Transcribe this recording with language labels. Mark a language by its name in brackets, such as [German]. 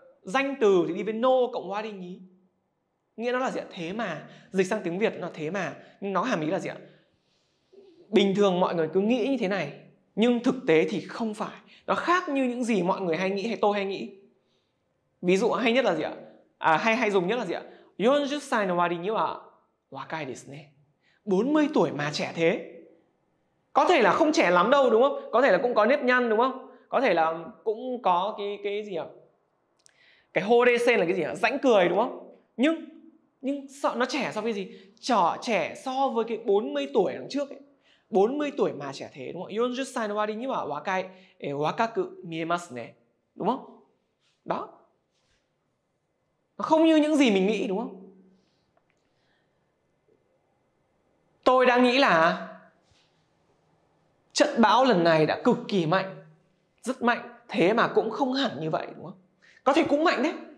[Vietnamese] Danh từ thì đi với no cộng Wari nhí. Nghĩa nó là gì ạ? Thế mà. Dịch sang tiếng Việt nó là thế mà. Nhưng nó hàm ý là gì ạ? Bình thường mọi người cứ nghĩ như thế này. Nhưng thực tế thì không phải. Nó khác như những gì mọi người hay nghĩ hay tôi hay nghĩ. Ví dụ hay nhất là gì ạ? À hay dùng nhất là gì ạ? [Japanese] 40 歳の割には若いですね. [Vietnamese] 40 tuổi mà trẻ thế. Có thể là không trẻ lắm đâu, đúng không? Có thể là cũng có nếp nhăn, đúng không? Có thể là cũng có cái gì ạ? Cái hô đê sen là cái gì ạ? Rãnh cười, đúng không? Nhưng sợ nó trẻ so với gì? Trẻ so với cái 40 tuổi đằng trước ấy. 40 tuổi mà trẻ thế, đúng không? [Japanese] 40 歳の割には若く見えますね. [Vietnamese] Đúng không? Đó. Nó không như những gì mình nghĩ, đúng không? Tôi đang nghĩ là trận bão lần này đã cực kỳ mạnh, rất mạnh, thế mà cũng không hẳn như vậy, đúng không? Có thể cũng mạnh đấy.